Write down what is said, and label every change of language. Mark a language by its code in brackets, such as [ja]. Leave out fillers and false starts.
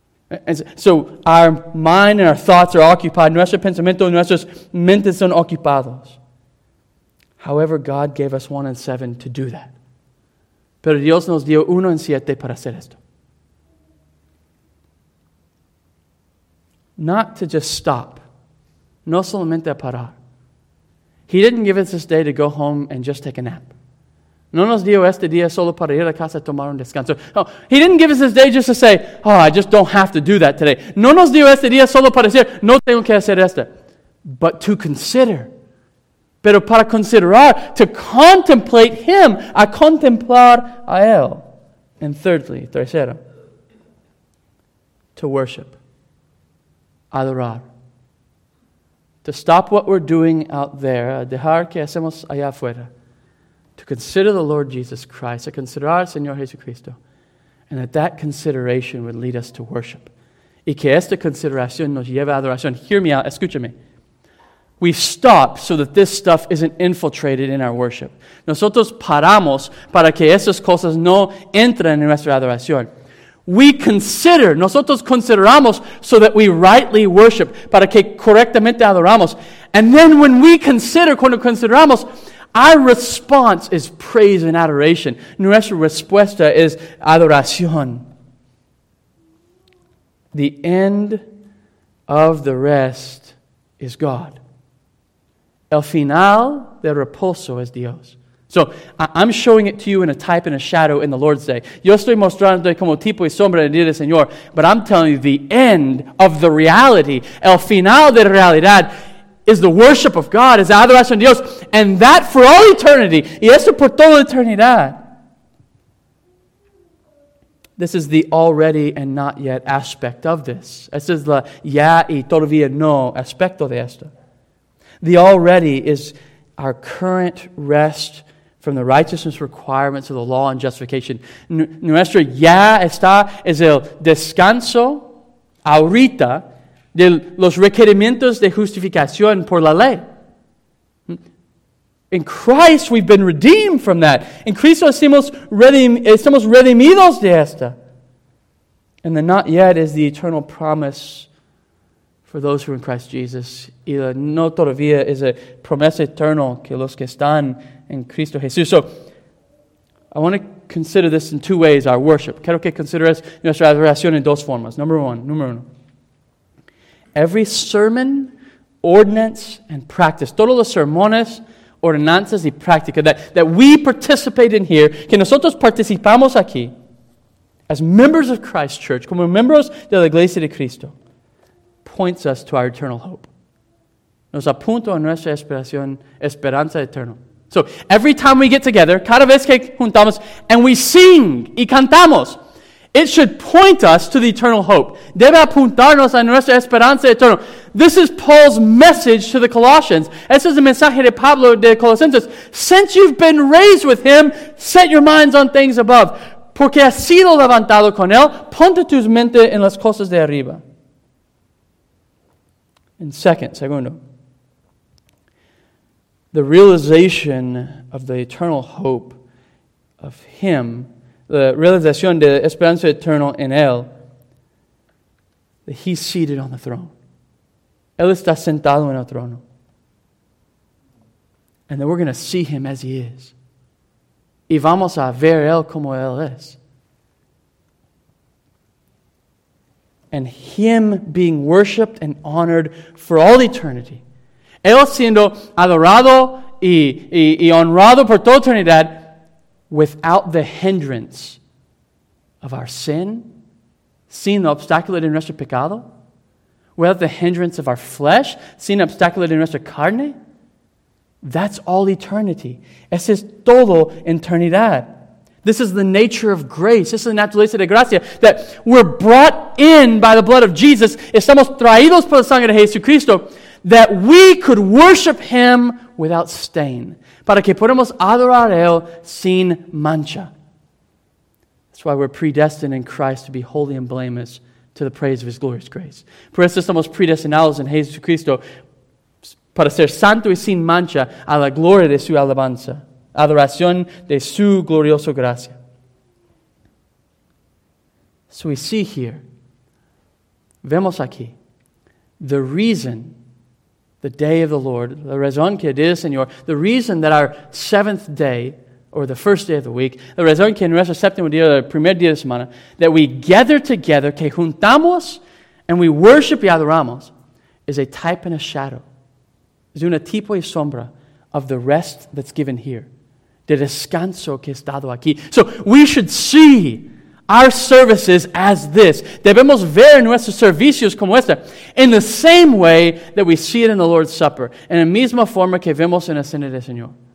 [en] And so our mind and our thoughts are occupied. [es] Nuestro pensamiento y nuestras mentes son ocupados. [en] However, God gave us one in seven to do that. [es] Pero Dios nos dio uno en siete para hacer esto. [en] Not to just stop. [es] No solamente a parar. [en] He didn't give us this day to go home and just take a nap. [es] No nos dio este día solo para ir a casa a tomar un descanso. [en] Oh, He didn't give us this day just to say, oh, I just don't have to do that today. [es] No nos dio este día solo para decir, no tengo que hacer esto. [en] But to consider. [es] Pero para considerar, [en] to contemplate Him, [es] a contemplar a Él. [en] And thirdly, [es] tercero, [en] to worship. [es] Adorar. [en] To stop what we're doing out there, [es] dejar que hacemos allá afuera. [en] To consider the Lord Jesus Christ, [es] a considerar al Señor Jesucristo. [en] And that consideration would lead us to worship. [es] Y que esta consideración nos lleve a adoración. [en] Hear me out, [es] escúchame. [en] We stop so that this stuff isn't infiltrated in our worship. [es] Nosotros paramos para que esas cosas no entren en nuestra adoración. [en] We consider, [es] nosotros consideramos [en] so that we rightly worship, [es] para que correctamente adoramos. [en] And then when we consider, [es] cuando consideramos, [en] our response is praise and adoration. [es] Nuestra respuesta es adoración. [en] The end of the rest is God. [es] El final del reposo es Dios. [en] So, I'm showing it to you in a type and a shadow in the Lord's Day. [es] Yo estoy mostrándote como tipo y sombra en el día del Señor. [en] But I'm telling you, the end of the reality, [es] el final de la realidad, [en] is the worship of God, is [es] adoración de Dios. [en] And that for all eternity. [es] Y eso por toda la eternidad. [en] This is the already and not yet aspect of this. This is the [es] ya y todavía no aspecto de esto. [en] The already is our current rest from the righteousness requirements of the law and justification. [es] Nuestro ya está es el descanso ahorita de los requerimientos de justificación por la ley. [en] In Christ, we've been redeemed from that. [es] In Cristo, estamos redimidos de esta. [en] And the not yet is the eternal promise for those who are in Christ Jesus. [es] Y la no todavía es a promesa eterna que los que están en Cristo Jesús. [en] So, I want to consider this in two ways, our worship. [es] Quiero que consideres nuestra adoración en dos formas. [en] Number one. Every sermon, ordinance, and practice. [es] Todos los sermones, ordenanzas y práctica [en] that we participate in here, [es] que nosotros participamos aquí, [en] as members of Christ Church, [es] como miembros de la Iglesia de Cristo, [en] points us to our eternal hope. [es] Nos apunta a nuestra esperanza eterna. [en] So every time we get together, [es] cada vez que juntamos, [en] and we sing [es] y cantamos, [en] it should point us to the eternal hope. [es] Debe apuntarnos a nuestra esperanza eterna. [en] This is Paul's message to the Colossians. [es] Este es el mensaje de Pablo de Colosenses. [en] Since you've been raised with him, set your minds on things above. [es] Porque has sido levantado con él, ponte tus mentes en las cosas de arriba. [en] And segundo, the realization of the eternal hope of him, the realization [es] de esperanza eterna en él, [en] that he's seated on the throne. [es] Él está sentado en el trono. [en] And that we're going to see him as he is. [es] Y vamos a ver él como él es. [en] And him being worshipped and honored for all eternity. [es] Él siendo adorado y honrado por toda eternidad [en] without the hindrance of our sin, [es] sin el obstáculo de nuestro pecado, [en] without the hindrance of our flesh, [es] sin el obstáculo de nuestra carne, [en] that's all eternity. [es] Ese es todo eternidad. [en] This is the nature of grace. This is the [es] naturaleza de gracia, [en] that we're brought in by the blood of Jesus. [es] Estamos traídos por la sangre de Jesucristo, [en] that we could worship him without stain, [es] para que podamos adorar a él sin mancha. [en] That's why we're predestined in Christ to be holy and blameless to the praise of his glorious grace. [es] Por eso estamos predestinados en Jesucristo para ser santo y sin mancha a la gloria de su alabanza, adoración de su glorioso gracia. [en] So we see here, [es] vemos aquí, [en] the reason, the day of the Lord, [es] la razón que Dios Señor, [en] the reason that our seventh day, or the first day of the week, [es] la razón que nuestro séptimo día, el primer día de semana, [en] that we gather together, [es] que juntamos, [en] and we worship [es] y adoramos, [en] is a type and a shadow. [es] Es una tipo y sombra [en] of the rest that's given here. [es] De descanso que es dado aquí. [en] So we should see our services as this. [es] Debemos ver nuestros servicios como esta. [en] In the same way that we see it in the Lord's Supper. [es] En la misma forma que vemos en la Cena del Señor.